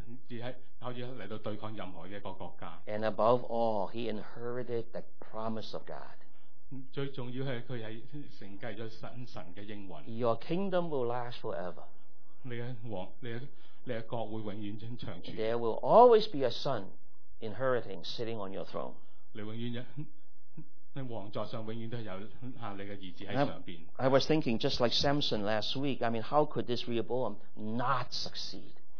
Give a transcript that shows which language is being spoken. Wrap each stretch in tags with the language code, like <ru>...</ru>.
<en>And above all, he inherited the promise of God.</en> <zh>最重要是他是承继了神的应允。</zh> <en>Your kingdom will last forever.</en> <zh>你的国会永远长存。</zh> <en>There will always be a son inheriting sitting on your throne.</en> <zh>你王座上永远都有你的儿子在上面。</zh> <en>I was thinking just like Samson last week, I mean, how could this Rehoboam not succeed?</en>